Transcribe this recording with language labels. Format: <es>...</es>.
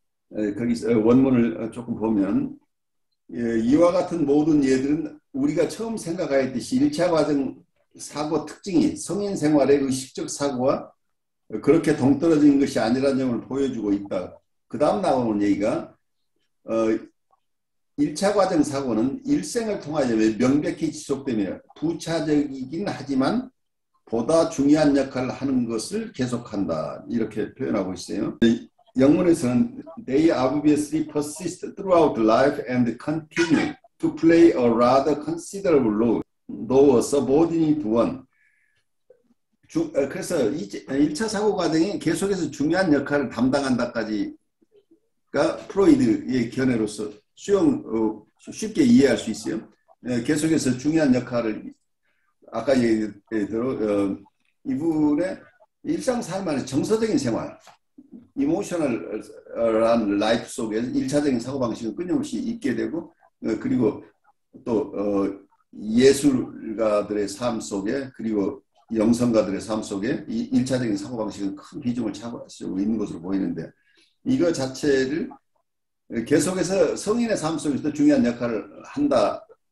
<ko>거기서 원문을 조금 보면 이와 같은 모든 예들은 우리가 처음 생각하였듯이 1차 과정 사고 특징이 성인 생활의 의식적 사고와 그렇게 동떨어진 것이 아니라는 점을 보여주고 있다. 그 다음 나오는 얘기가 1차 과정 사고는 일생을 통하여 명백히 지속되며 부차적이긴 하지만 보다 중요한 역할을 하는 것을 계속한다. 이렇게 표현하고 있어요.</ko> <en>영문에서는 They obviously persist throughout life and continue to play a rather considerable role, though a subordinate one.</en> <ko>그래서 1차 사고 과정이 계속해서 중요한 역할을 담당한다까지 프로이드의 견해로서 쉽게 이해할 수 있어요. 계속해서 중요한 역할을 아까 얘기한 대로 이분의 일상 삶 안에 정서적인 생활, 이모셔널한 라이프 속에 1차적인 사고방식은 끊임없이 있게 되고 그리고 또 예술가들의 삶 속에 그리고 영성가들의 삶 속에 1차적인 사고방식은 큰 비중을 차지하고 있는 것으로 보이는데 이거 자체를 계속해서 성인의 삶 속에서 중요한 역할을 한다.</ko>